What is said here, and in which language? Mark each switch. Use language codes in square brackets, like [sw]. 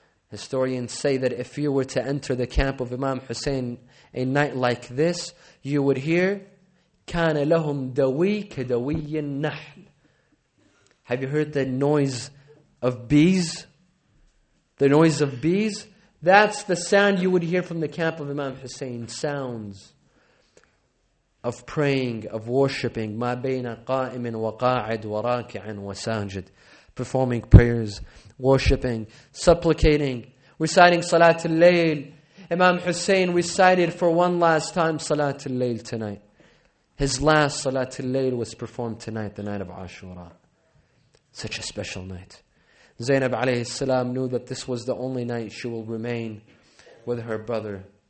[en] Historians say that if you were to enter the camp of Imam Hussein a night like this, you would hear, [ar] كان لهم دوي كدوي النحل. [en] Have you heard the noise of bees? The noise of bees? That's the sound you would hear from the camp of Imam Hussein. Sounds of praying, of worshipping. [ar] ما بين قائم وقاعد وراكع وساجد. [en] Performing prayers, worshipping, supplicating, reciting Salat al-Layl. Imam Hussein recited for one last time Salat al-Layl tonight. His last Salat al-Layl was performed tonight, the night of Ashura. Such a special night. Zainab alayhi salam knew that this was the only night she will remain with her brother.